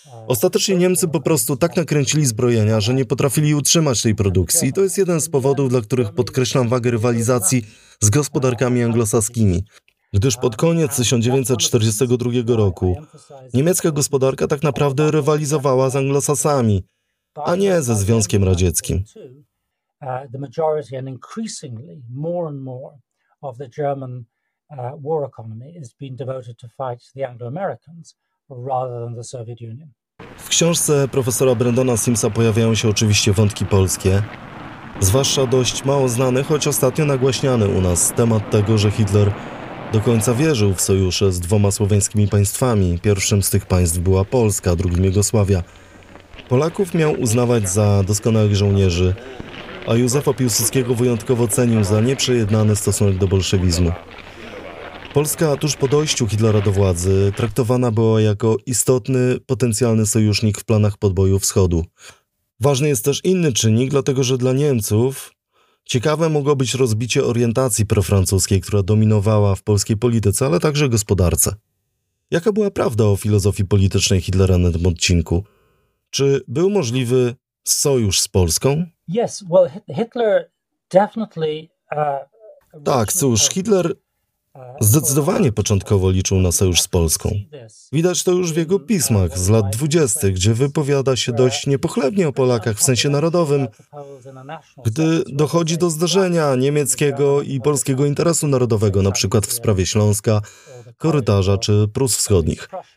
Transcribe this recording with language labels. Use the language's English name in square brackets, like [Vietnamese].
[Polish] Ostatecznie Niemcy po prostu tak nakręcili zbrojenia, że nie potrafili utrzymać tej produkcji. To jest jeden z powodów, dla których podkreślam wagę rywalizacji z gospodarkami anglosaskimi. Gdyż pod koniec 1942 roku niemiecka gospodarka tak naprawdę rywalizowała z anglosasami, a nie ze Związkiem Radzieckim. [English] The majority and increasingly more and more of the German war economy is being devoted to fight the Anglo-Americans rather than the Soviet Union. [Polish] W książce profesora Brendona Simsa pojawiają się oczywiście wątki polskie, zwłaszcza dość mało znany, choć ostatnio nagłaśniany u nas temat tego, że Hitler do końca wierzył w sojusze z dwoma słowiańskimi państwami. Pierwszym z tych państw była Polska, drugim Jugosławia. Polaków miał uznawać za doskonałych żołnierzy, a Józefa Piłsudskiego wyjątkowo cenił za nieprzejednany stosunek do bolszewizmu. Polska tuż po dojściu Hitlera do władzy traktowana była jako istotny, potencjalny sojusznik w planach podboju wschodu. Ważny jest też inny czynnik, dlatego że dla Niemców ciekawe mogło być rozbicie orientacji profrancuskiej, która dominowała w polskiej polityce, ale także gospodarce. Jaka była prawda o filozofii politycznej Hitlera na tym odcinku? Czy był możliwy sojusz z Polską? [English] Yes, well, Hitler definitely. [Polish] Tak, cóż, Hitler zdecydowanie początkowo liczył na sojusz z Polską. Widać to już w jego pismach z lat 20., gdzie wypowiada się dość niepochlebnie o Polakach w sensie narodowym, gdy dochodzi do zderzenia niemieckiego i polskiego interesu narodowego, na przykład w sprawie Śląska, korytarza czy Prus Wschodnich.